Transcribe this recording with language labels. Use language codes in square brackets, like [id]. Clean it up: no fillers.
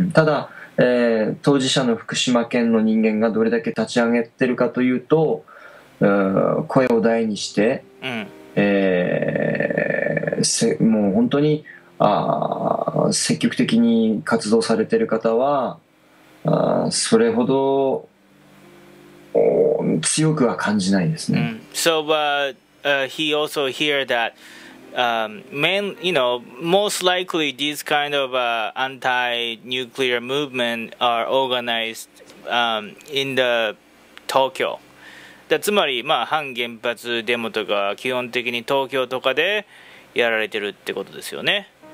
[ja] うん、ただ、当事者の福島県の人間がどれだけ立ち上げてるかというと、声を大にして、うん、もう本当に積極的に活動されてる方はそれほど強くは感じないですね、 [en] うん、So, he also hear thatmain, you know, most likely these kind of anti-nuclear movement are organized in the Tokyo. [ja] だつまり、まあ、反原発デモとか基本的に東京とかでやられてるってことですよね。